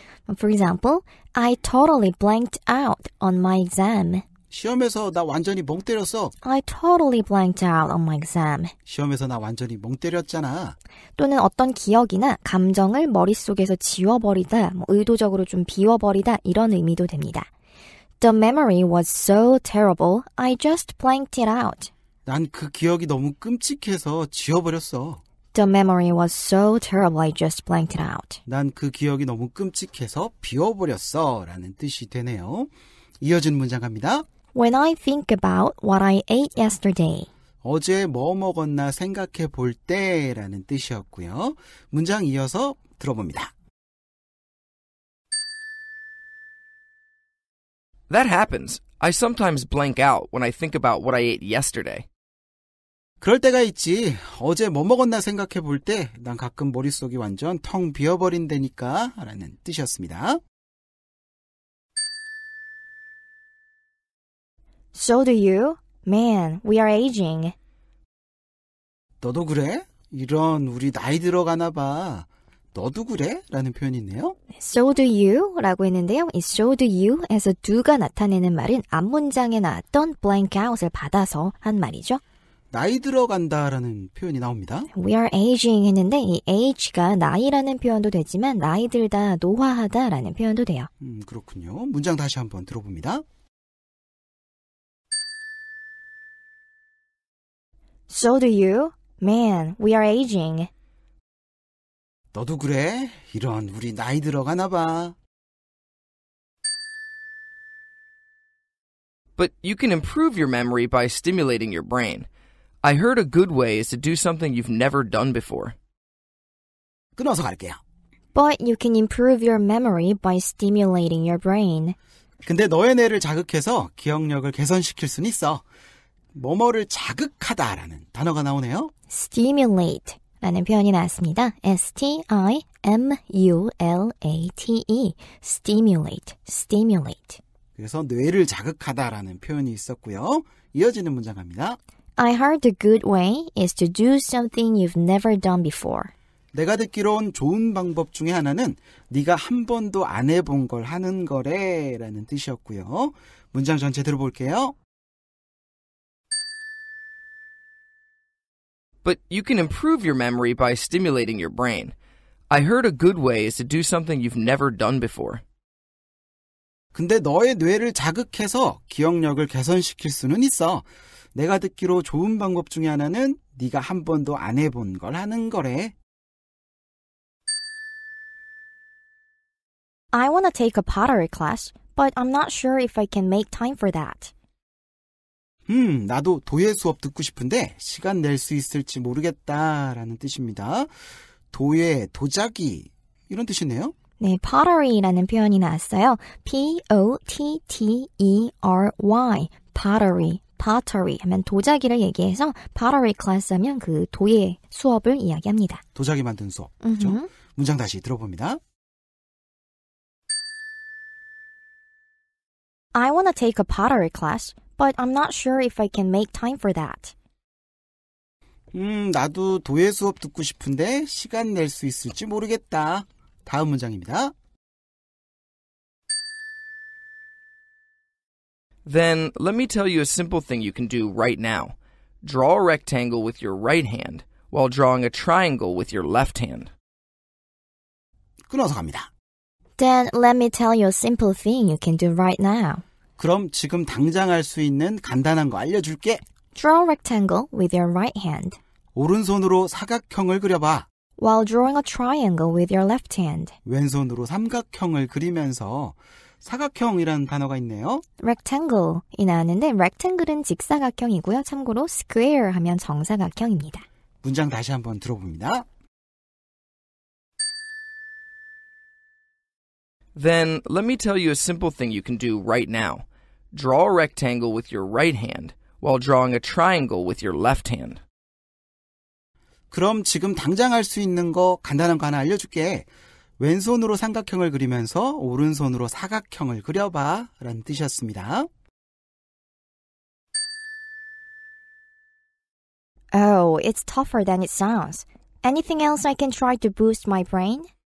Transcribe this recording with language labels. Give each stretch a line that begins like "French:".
English: For example, I totally blanked out on my exam.
Korean: 시험에서 나 완전히 멍 때렸어.
English: I totally blanked out on my exam.
Korean: 시험에서 나 완전히 멍 때렸잖아. 또는 어떤 기억이나 감정을 머릿속에서 지워버리다, 뭐 의도적으로 좀 비워버리다 이런 의미도 됩니다.
English: The memory was so terrible, I just blanked it out.
Korean: 난 그 기억이 너무 끔찍해서 지워버렸어.
English: The memory was so terrible, I just blanked it out.
Korean: 난 그 기억이 너무 끔찍해서 비워버렸어 라는 뜻이 되네요. 이어진 문장 갑니다.
English: When I think about what I ate yesterday.
Korean: 어제 뭐 먹었나 생각해 볼 때 라는 뜻이었고요. 문장 이어서 들어봅니다.
English: That happens. I sometimes blank out when I think about what I ate yesterday.
Korean: 그럴 때가 있지. 어제 뭐 먹었나 생각해 볼 때 난 가끔 머릿속이 완전 텅 비어버린다니까 라는 뜻이었습니다.
English: So do you. Man, we are aging.
Korean: 너도 그래? 이런 우리 나이 들어가나 봐. 너도 그래? 라는 표현이 있네요.
English: So do you
Korean: 라고 했는데요. 이 so do you 에서 do가 나타내는 말은 앞 문장에 나왔던 blank out을 받아서 한 말이죠. 나이 들어간다 라는 표현이 나옵니다.
English: We are aging
Korean: 했는데 이 age가 나이라는 표현도 되지만 나이 들다, 노화하다 라는 표현도 돼요. 그렇군요. 문장 다시 한번 들어봅니다.
English: So do you. Man, we are aging.
Korean: 너도 그래? 이런 우리 나이 들어가나 봐.
English: But you can improve your memory by stimulating your brain. I heard a good way is to do something you've never done before.
Korean: 끊어서 갈게요.
English: But you can improve your memory by stimulating your brain.
Korean: 근데 너의 뇌를 자극해서 기억력을 개선시킬 수는 있어. 뭐뭐를 자극하다라는 단어가 나오네요. Stimulate 라는 표현이 나왔습니다. S-T-I-M-U-L-A-T-E. Stimulate. Stimulate. 그래서 뇌를 자극하다라는 표현이 있었고요. 이어지는 문장 갑니다.
English: I heard a good way is to do something you've never done before.
Korean: 내가 듣기론 좋은 방법 중에 하나는 네가 한 번도 안 해본 걸 하는 거래 라는 뜻이었고요. 문장 전체 들어볼게요.
English: But you can improve your memory by stimulating your brain. I heard a good way is to do something you've never done before.
Korean: 근데 너의 뇌를 자극해서 기억력을 개선시킬 수는 있어. 내가 듣기로 좋은 방법 중에 하나는 네가 한 번도 안 해본 걸 하는 거래.
English: I want to take a pottery class, but I'm not sure if I can make time for that.
Korean: 나도 도예 수업 듣고 싶은데 시간 낼 수 있을지 모르겠다라는 뜻입니다. 도예, 도자기 이런 뜻이네요. 네, pottery라는 표현이 나왔어요. P-O-T-T-E-R-Y, pottery, pottery 하면 도자기를 얘기해서 pottery class 하면 그 도예 수업을 이야기합니다. 도자기 만드는 수업, 그렇죠? Mm-hmm. 문장 다시 들어봅니다.
English: I want to take a pottery class, but I'm not sure if I can make time for that.
Korean: 나도 도예 수업 듣고 싶은데 시간 낼 수 있을지 모르겠다. 다음 문장입니다.
English: Then let me tell you a simple thing you can do right now. Draw a rectangle with your right hand while drawing a triangle with your left hand.
Korean: 끊어서 갑니다.
English: Then let me tell you a simple thing you can do right now.
Korean: 그럼 지금 당장 할 수 있는 간단한 거 알려줄게.
English: Draw a rectangle with your right hand.
Korean: 오른손으로 사각형을 그려봐.
English: While drawing a triangle with your left hand.
Korean: 왼손으로 삼각형을 그리면서 사각형이라는 단어가 있네요. Rectangle이 나왔는데 rectangle은 직사각형이고요. 참고로 square 하면 정사각형입니다. 문장 다시 한번 들어봅니다.
English: Then let me tell you a simple thing you can do right now. Draw a rectangle with your right hand while drawing a triangle with your left hand.
Korean: 그럼 지금 당장 할 수 있는 거 간단한 거 하나 알려줄게. 왼손으로 삼각형을 그리면서 오른손으로 사각형을 그려봐 라는 뜻이었습니다.
English: Oh, it's tougher than it sounds. Anything else I can try to boost my brain?